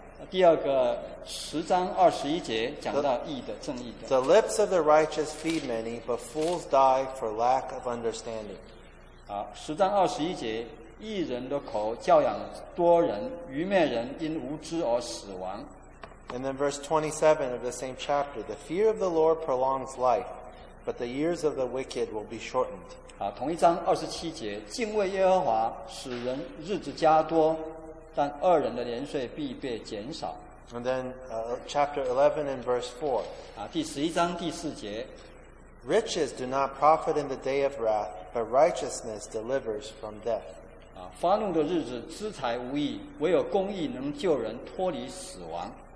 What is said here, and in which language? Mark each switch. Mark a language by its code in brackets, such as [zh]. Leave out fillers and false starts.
[zh] 第二个十章二十一节讲到义的正义的。 [en] The lips of the righteous feed many, but fools die for lack of understanding. [zh] 啊，十章二十一节，义人的口教养多人，愚昧人因无知而死亡。 [en] And then verse 27 of the same chapter, the fear of the Lord prolongs life, but the years of the wicked will be shortened. [zh] 啊，同一章二十七节，敬畏耶和华使人日子加多。但二人的年岁必被减少。 [en] And then, chapter 11 and verse 4. [zh] 啊，第十一章第四节。 [en] Riches do not profit in the day of wrath, but righteousness delivers from death. [zh] 啊，发怒的日子资财无益，唯有公义能救人脱离死亡。